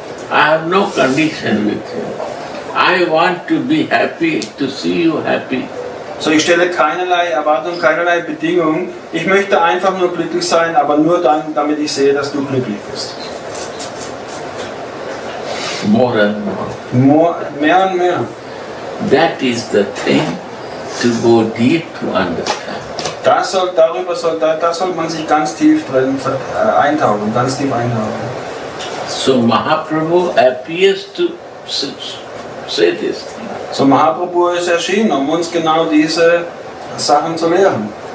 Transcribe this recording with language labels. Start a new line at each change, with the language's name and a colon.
English: I have no condition with you. I want to be happy, to see you happy.
German: So ich stelle keinerlei Erwartung, keinerlei Bedingung. Ich möchte einfach nur glücklich sein, aber nur dann, damit ich sehe, dass du glücklich bist.
English: More and more.
German: Mehr und mehr.
English: That is the thing to go deep to understand.
German: Das soll man sich ganz tief drin eintauchen, ganz tief eintauchen.
English: So Mahaprabhu appears to say this.
German: So Mahaprabhu ist erschienen, um uns genau diese Sachen zu lehren.